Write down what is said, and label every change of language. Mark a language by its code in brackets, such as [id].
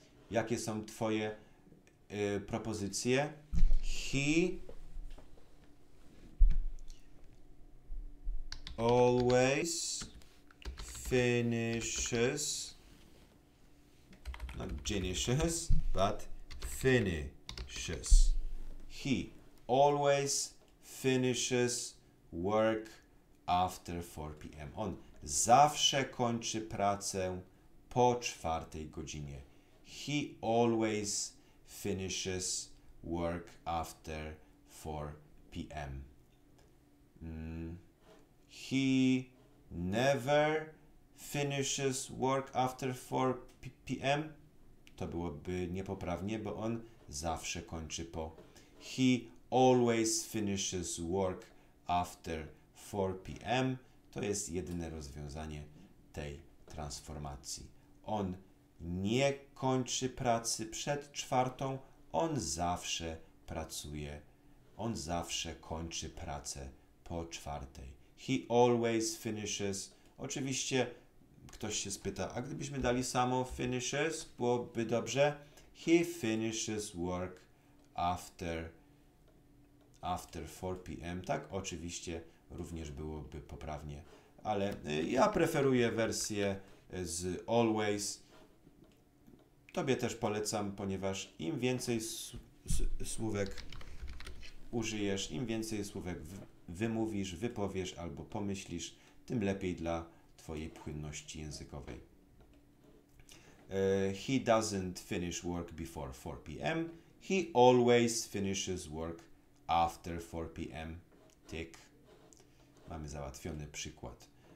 [pl] Jakie są twoje propozycje? [en] He always finishes, not genishes, but finishes. He always finishes work after 4 p.m. [pl] On zawsze kończy pracę po czwartej godzinie. [en] He always finishes work after 4 p.m. He never finishes work after 4 p.m. [pl] To byłoby niepoprawnie, bo on zawsze kończy po. [en] He always finishes work after 4 p.m. [pl] To jest jedyne rozwiązanie tej transformacji. On nie kończy pracy przed czwartą, on zawsze pracuje, on zawsze kończy pracę po czwartej. [en] He always finishes. [pl] Oczywiście ktoś się spyta, a gdybyśmy dali samo finishes, byłoby dobrze. [en] He finishes work after 4 p.m. [pl] Tak, oczywiście również byłoby poprawnie, ale ja preferuję wersję z always. Tobie też polecam, ponieważ im więcej słówek użyjesz, im więcej słówek wymówisz, wypowiesz albo pomyślisz, tym lepiej dla twojej płynności językowej. [en] He doesn't finish work before 4 p.m. He always finishes work after 4 p.m. Tick. [pl] Mamy załatwiony przykład.